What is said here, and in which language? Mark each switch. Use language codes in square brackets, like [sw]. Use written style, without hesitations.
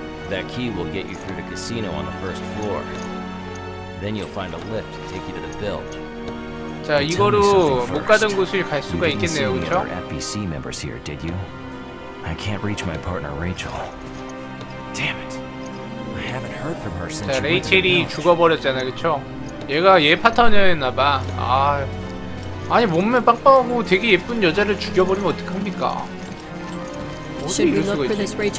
[en] That key will get you through the casino on the first floor. Then you'll find a lift to take you to the build. [ko] 자, 이거로 못 가던 곳을 갈 수가 있겠네요, 그렇죠? [en] You didn't see any other FBC members here, did you? I can't reach my partner Rachel. Damn it! I haven't heard from her since. [ko] 자, 레이첼이 죽어버렸잖아, 그렇죠? 얘가 얘 파탄이었나봐. 아, 아니 몸매 빵빵하고 되게 예쁜 여자를 죽여버리면 어떡합니까? 어디 이럴 수가 있지?